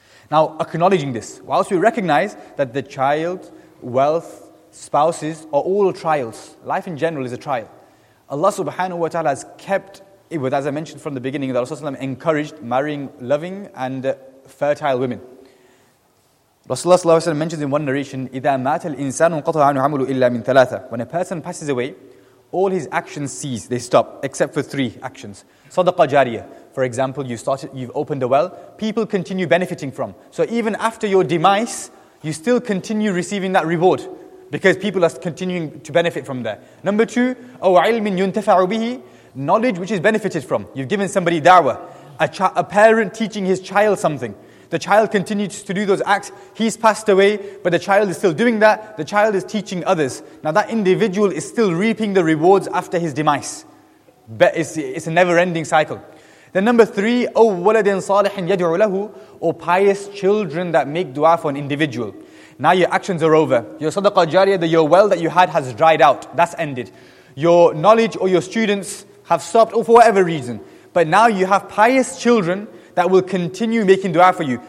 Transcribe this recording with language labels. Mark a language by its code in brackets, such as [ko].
[en] Now, acknowledging this, whilst we recognize that the child, wealth, spouses are all trials, life in general is a trial. Allah subhanahu wa ta'ala has kept it with, as I mentioned from the beginning, that Rasulullah encouraged marrying loving and fertile women. Rasulullah sallallahu alaihi wasallam mentions in one narration, [ar] إِذَا مَاتَ الْإِنسَانُ قَطَعَ عَنْهُ عَمَلُهُ إِلَّا مِنْ ثَلَاثَ. [en] When a person passes away, all his actions cease, they stop, except for three actions. [ar] صَدَقَ جَارِيَةَ. [en] For example, you've opened a well, people continue benefiting from. So even after your demise, you still continue receiving that reward, because people are continuing to benefit from there. Number two, [ar] أَوْ عِلْمٍ يُنْتَفَعُ بِهِ. [en] Knowledge which is benefited from. You've given somebody da'wah, a parent teaching his child something. The child continues to do those acts. He's passed away, but the child is still doing that. The child is teaching others. Now that individual is still reaping the rewards after his demise. But it's a never-ending cycle. Then number three, [ar] أَوْ وَلَدٍ صَالِحٍ يَدْعُ لَهُ. [en] Or pious children that make dua for an individual. Now your actions are over. Your sadaqah jariyah, your well that you had has dried out. That's ended. Your knowledge or your students have stopped, or for whatever reason. But now you have pious children that will continue making dua for you.